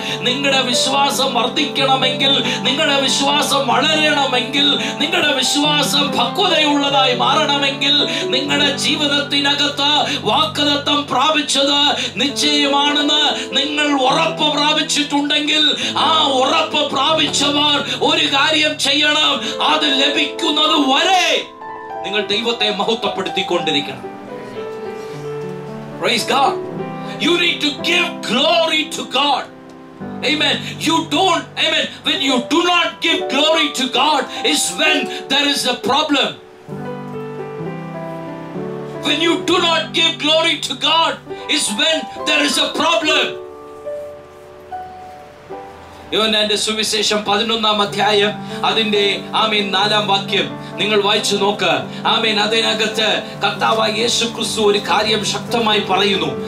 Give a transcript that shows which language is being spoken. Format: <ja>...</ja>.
<ml>നിങ്ങളുടെ വിശ്വാസം വർദ്ധിക്കണമെങ്കിൽ, നിങ്ങളുടെ വിശ്വാസം വളരണമെങ്കിൽ, നിങ്ങളുടെ വിശ്വാസം പക്വതയുള്ളതായി മാറണമെങ്കിൽ നിങ്ങളുടെ ജീവിതത്തിനകത്ത് വാക്കുതത്വം പ്രാപിച്ചത് നിശ്ചയമാണെന്ന് നിങ്ങൾ ഉറപ്പ് പ്രാപിച്ചിട്ടുണ്ടെങ്കിൽ ആ ഉറപ്പ് പ്രാപിച്ചവർ ഒരു കാര്യം ചെയ്യണം, അത് ലഭിക്കുന്നത് വരെ നിങ്ങൾ ദൈവത്തെ മഹത്വപ്പെടുത്തിക്കൊണ്ടിരിക്കണം.</ml> <en>Praise God. You need to give glory to God. Amen. You don't, amen. When you do not give glory to God is when there is a problem. When you do not give glory to God is when there is a problem.</en> <ml>യോഹന്നാന്റെ സുവിശേഷം 11-ാം അധ്യായം അതിന്റെ ആമേൻ 4-ാം വാക്യം നിങ്ങൾ വായിച്ചു നോക്ക്. ആമേൻ. അതിനകത്ത് കർത്താവായ യേശു ക്രിസ്തു ഒരു കാര്യം ശക്തമായി പറയുന്നു.</ml>